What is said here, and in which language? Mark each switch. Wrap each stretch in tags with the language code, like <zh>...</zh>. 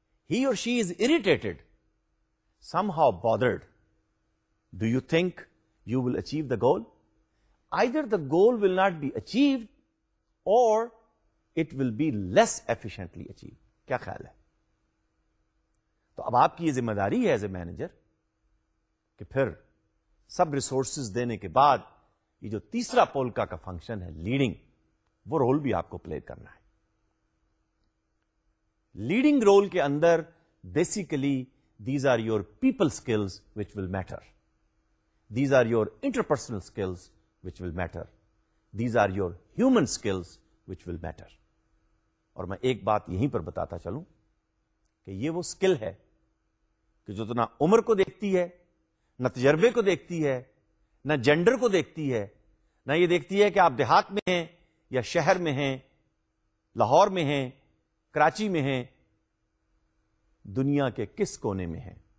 <en>He or she is irritated, somehow bothered, do you think you will achieve the goal? Either the goal will not be achieved or it will be less efficiently achieve.</en> <ur>کیا خیال ہے؟ تو اب آپ کی یہ ذمہ داری ہے</ur> <en>as a manager</en> <ur>کہ پھر سب ریسورسز دینے کے بعد یہ جو تیسرا پولکا کا فنکشن ہے لیڈنگ، وہ رول بھی آپ کو پلے کرنا ہے.</ur> <en>Leading role کے اندر basically these are your people skills which will matter, these are your interpersonal skills which will matter, these are your human skills which will matter.</en> <ur>اور میں ایک بات یہیں پر بتاتا چلوں کہ یہ وہ اسکل ہے کہ جو نہ عمر کو دیکھتی ہے، نہ تجربے کو دیکھتی ہے، نہ جینڈر کو دیکھتی ہے، نہ یہ دیکھتی ہے کہ آپ دیہات میں ہیں یا شہر میں ہیں، لاہور میں ہیں، کراچی میں ہیں، دنیا کے کس کونے میں ہیں.</ur>